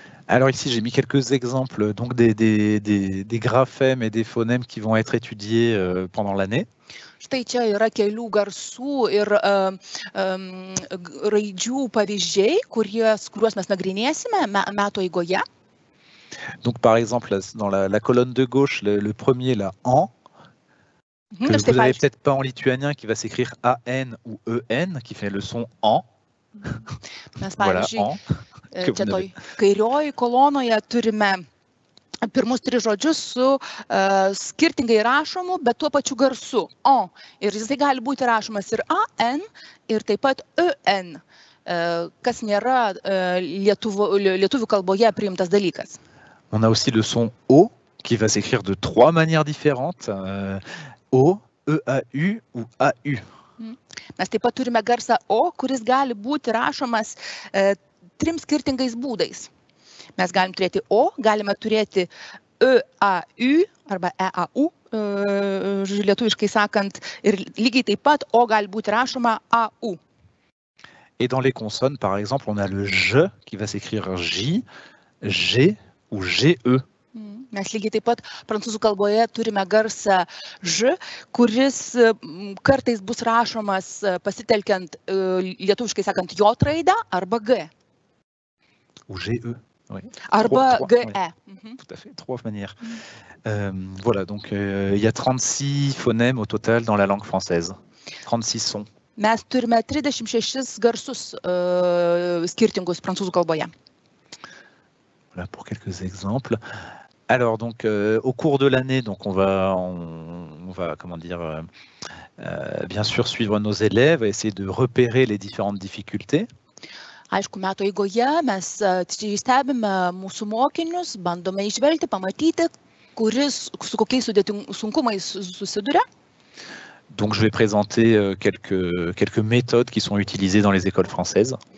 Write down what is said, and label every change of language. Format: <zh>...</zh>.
<fr>Alors ici, j'ai mis quelques exemples, donc des graphèmes et des phonèmes qui vont être étudiés pendant l'année.</fr> <lt>Štai čia yra kelių garsų ir raidžių pavyzdžiai, kuriuos mes nagrinėsime metų eigoje.</lt> <fr>Donc par exemple, dans la colonne de gauche, le premier, là, en, que vous n'avez peut-être pas en lituanien, qui va s'écrire an ou en, qui fait le son en.</fr> <lt>Mes, pavyzdžiui, voilà, čia toj kairioji kolonoje turime pirmus tris žodžius su skirtingai rašomu, bet tuo pačiu garsu, o. Ir jisai gali būti rašomas ir an, ir taip pat en, kas nėra lietuvių kalboje priimtas dalykas.</lt> <fr>On a aussi le son o, qui va s'écrire de trois manières différentes, o, e, a, u, ou a, u.</fr> <lt>Mes taip pat turime garsą O, kuris gali būti rašomas trim skirtingais būdais. Mes galim turėti O, galime turėti E, A, U arba E, A, U, lietuviškai sakant, ir lygiai taip pat O gali būti rašoma A, U.</lt> <fr>Et dans les consonnes, par exemple, on a le J qui va s'écrire J, G ou G, E.</fr> <lt>Mes lygiai taip pat prancūzų kalboje turime garsą ž, kuris kartais bus rašomas pasitelkiant lietuviškai sakant j raidą arba g.</lt> <fr>Ou g e. Oui.</fr> <lt>Arba g e. Oui.</lt> <fr>Tout à fait, trois manières. Voilà, donc il y a 36 phonèmes au total dans la langue française. 36 sons.</fr> <lt>Mes turime 36 garsus skirtingus prancūzų kalboje.</lt> <fr>Voilà pour quelques exemples. Alors donc au cours de l'année donc on va comment dire bien sûr suivre nos élèves et essayer de repérer les différentes difficultés.</fr> <lt>Aišku, metų eigoje mes stebime mūsų mokinius, bandome išvelgti, pamatyti, kuris su kokiais sunkumais susiduria.</lt> <fr>Donc je vais présenter quelques méthodes qui sont utilisées dans les écoles françaises.</fr>